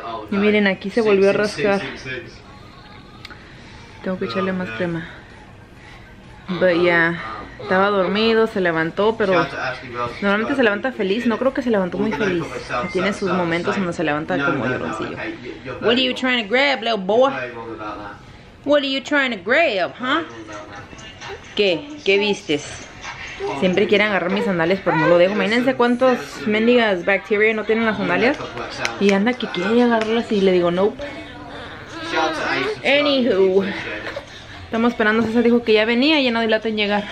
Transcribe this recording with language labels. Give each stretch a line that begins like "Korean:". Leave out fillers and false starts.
Spanish: Y miren, aquí se volvió a rascar. Tengo que echarle más crema.
English: But yeah.
Spanish: Estaba dormido, se levantó, pero normalmente se levanta feliz. No creo que se levantó muy feliz. Tiene sus momentos donde se levanta como lloroncillo.
English: What are you trying to grab, little boy? What are you trying to grab, huh?
Spanish: ¿Qué? ¿Qué vistes? Siempre quieren agarrar mis sandalias, pero no lo dejo. Imagínense cuántos mendigas bacteria no tienen las sandalias. Y anda que quiere agarrarlas y le digo nope. Anywho. Estamos esperando, César dijo que ya venía y ya no dilata en llegar.